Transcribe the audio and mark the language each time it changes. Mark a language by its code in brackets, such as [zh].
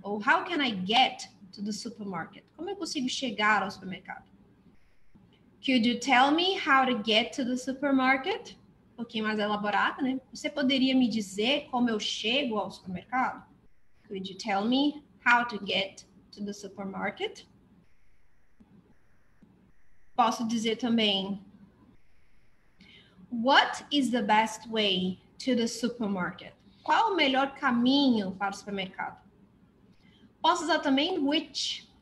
[pt] Ou [en] how can I get to the supermarket? [pt] Como eu consigo chegar ao supermercado? [en] Could you tell me how to get to the supermarket? [pt] Um pouquinho mais elaborada, né? Você poderia me dizer como eu chego ao supermercado? [en] Could you tell me how to get to the supermarket? [pt] Posso dizer também: [en] What is the best way to the supermarket? [pt] Qual o melhor caminho para o supermercado? Posso usar também [en] which.